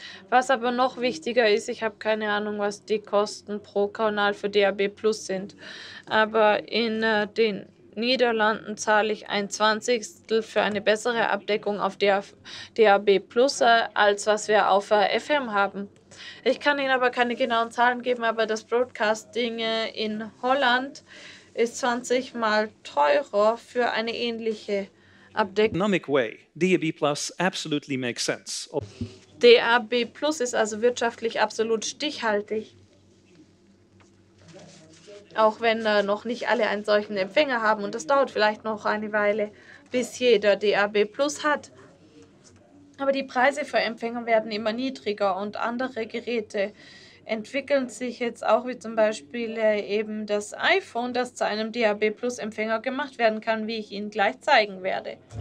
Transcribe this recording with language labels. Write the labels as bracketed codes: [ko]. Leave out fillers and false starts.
[de] Was aber noch wichtiger ist, ich habe keine Ahnung, was die Kosten pro Kanal für DAB Plus sind, aber in den Niederlanden zahle ich ein 1/20 für eine bessere Abdeckung auf DAB Plus, als was wir auf FM haben. Ich kann Ihnen aber keine genauen Zahlen geben, aber das Broadcasting in Holland ist 20 Mal teurer für eine ähnliche Abdeckung. [en] Economic way, DAB Plus absolutely makes sense. [de] DAB Plus ist also wirtschaftlich absolut stichhaltig. Auch wenn noch nicht alle einen solchen Empfänger haben. Und das dauert vielleicht noch eine Weile, bis jeder DAB Plus hat. Aber die Preise für Empfänger werden immer niedriger. Und andere Geräte entwickeln sich jetzt auch, wie zum Beispiel eben das iPhone, das zu einem DAB Plus Empfänger gemacht werden kann, wie ich Ihnen gleich zeigen werde.